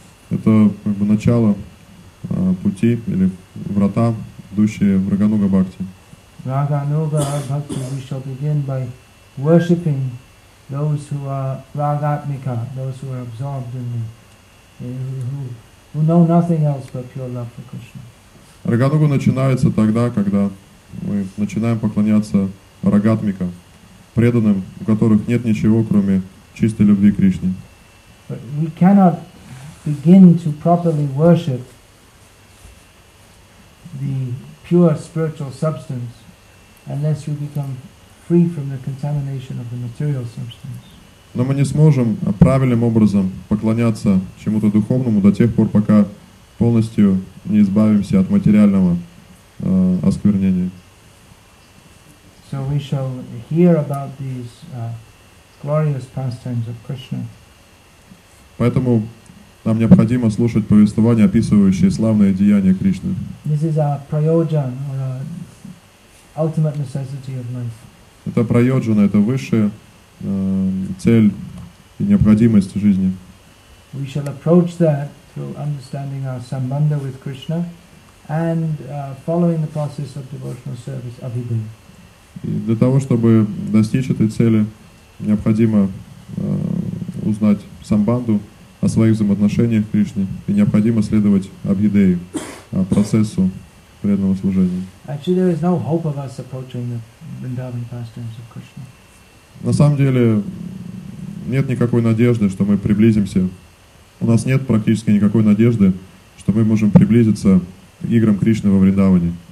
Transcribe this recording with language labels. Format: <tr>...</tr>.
<ru>Это как бы начало пути или врата, идущие в Рагануга Бхакти.</ru> <en>Рагануга Бхакти, we shall begin by worshipping those who are Ragatmika, those who are absorbed in the who know nothing else but pure love for Krishna.</en> <ru>Рагануга начинается тогда, когда мы начинаем поклоняться Рагатмика, преданным, у которых нет ничего, кроме чистой любви к Кришне.</ru> <en>But we cannot begin to properly worship the pure spiritual substance unless you become free from the contamination of the material substance.</en> <ru>Но мы не сможем правильным образом поклоняться чему-то духовному до тех пор, пока полностью не избавимся от материального осквернения.</ru> <en>So we shall hear about these glorious pastimes of Krishna.</en> <ru>Поэтому нам необходимо слушать повествования, описывающие славные деяния Кришны.</ru> <en>This is our prayojan, or our ultimate necessity of life.</en> <ru>Это prayojana, это высшая цель и необходимость жизни.</ru> <en>We shall approach that through understanding our sambandha with Krishna and following the process of devotional service, abhidhi.</en> <ru>И для того, чтобы достичь этой цели, необходимо узнать самбанду о своих взаимоотношениях с Кришной, и необходимо следовать абхидее, процессу преданного служения.</ru> <en>Actually, there is no hope of us approaching the Vrindavan pastimes of Krishna.</en> <ru>На самом деле, нет никакой надежды, что мы приблизимся. У нас нет практически никакой надежды, что мы можем приблизиться к играм Кришны во Вриндаване.</ru>